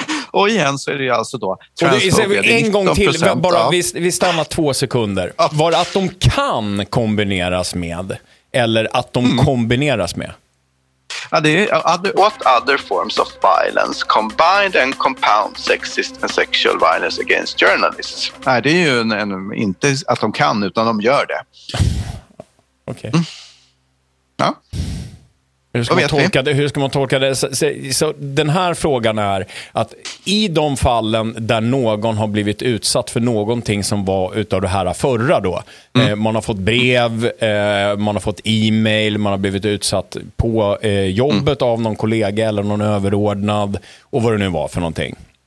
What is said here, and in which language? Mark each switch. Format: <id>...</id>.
<sv>Och igen så är det ju alltså då transfobia. En gång till, bara, vi stannar två sekunder. Ja. Var att de kan kombineras med, eller att de kombineras med? Ja, det är,</sv> <en>What other forms of violence combined and compound sexist and sexual violence against journalists?</en> <sv>Nej, det är ju en, inte att de kan, utan de gör det. Okej. Okay. Ja. Hur ska man tolka det? Så den här frågan är att i de fallen där någon har blivit utsatt för någonting som var utav det här förra då, man har fått brev, man har fått e-mail, man har blivit utsatt på jobbet av någon kollega eller någon överordnad och vad det nu var för någonting.</sv>